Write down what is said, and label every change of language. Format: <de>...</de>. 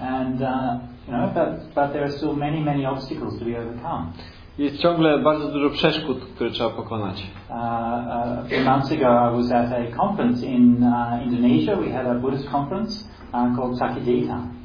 <en>And you know, but there are still many obstacles to be overcome.</en> <pl>Jest ciągle bardzo dużo przeszkód, które trzeba pokonać.</pl> <en>A few months ago I was at a conference in Indonesia. We had a Buddhist conference called Sakidita.</en>